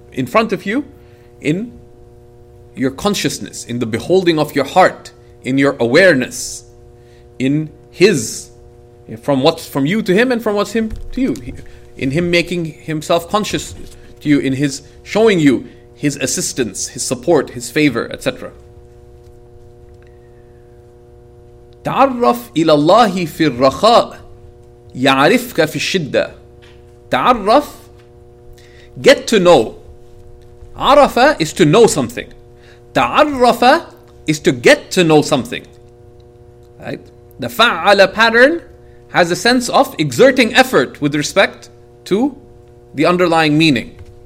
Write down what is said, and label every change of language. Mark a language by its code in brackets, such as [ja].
[en] in front of you, in your consciousness, in the beholding of your heart, in your awareness, in His, from what's from you to Him and from what's Him to you, in Him making Himself conscious to you, in His showing you His assistance, His support, His favor, etc. [ar] تعرف إلى الله في الرخاء يعرفك في الشدة. [en] تعرف, get to know. عرف is to know something. تعرف is to get to know something. Right? The فعل pattern has a sense of exerting effort with respect to the underlying meaning.